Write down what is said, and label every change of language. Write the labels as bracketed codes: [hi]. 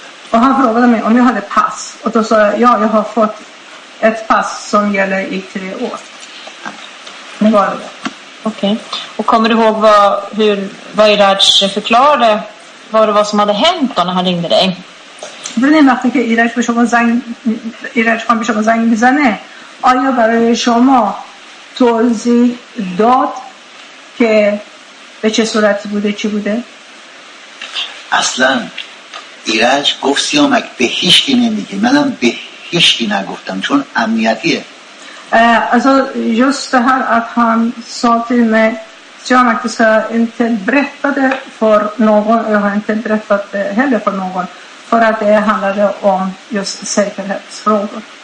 [sv] Och han frågade mig om jag hade pass. Och då sa jag, ja, jag har fått ett pass som gäller i 3 år. Det var det. Okej. Och kommer du ihåg vad Iraj förklarade? Vad det var som hade hänt då när han ringde dig? Det är nämligen att Iraj kom på sig och sa, Iraj kom på sig. [fa] آیا برای شما توضیح داد که به چه صورتی بوده چی بوده؟ اصلا ایرج گفت سیامک به هیچ کی نمیگه، منم به هیچ کی نگفتم چون امنیتیه. [sv] Alltså just det här att han sa till mig سیامک ska inte berätta det för någon. Jag har inte berättat det heller för någon för att det handlade om just säkerhetsfrågor.